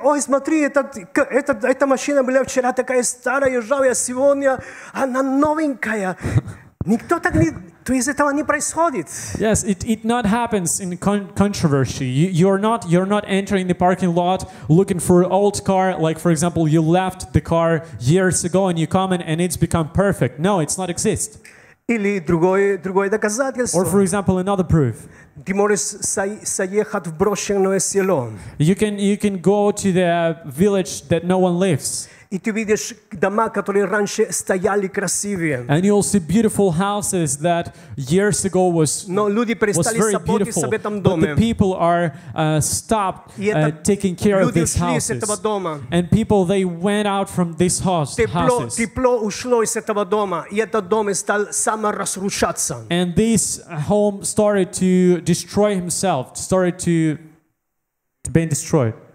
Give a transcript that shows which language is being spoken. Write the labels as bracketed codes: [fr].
[ru] Ой, смотри, эта машина была вчера такая старая, ржавая, сегодня она новенькая. Никто так не, то из этого не происходит. [en] Yes, it not happens in controversy. You're not entering the parking lot looking for an old car. Like for example, you left the car years ago and you come in and it's become perfect. No, it's not exist. [ru] Или другое доказательство. [en] Or for example, another proof. [ru] Ты можешь заехать в брошенное село. [en] You can go to the village that no one lives. [ru] и ты видишь дома, которые раньше стояли красивые. [en] And you'll see beautiful houses that years ago was [ru] Но люди перестали заботиться об этом доме. [en] But the people are stopped taking care of these houses. [ru] Люди ушли из этого дома. [en] And people they went out from these houses. [ru] Тепло ушло из этого дома, и этот дом стал саморазрушаться. [en] And this home started to destroy himself, started to be destroyed.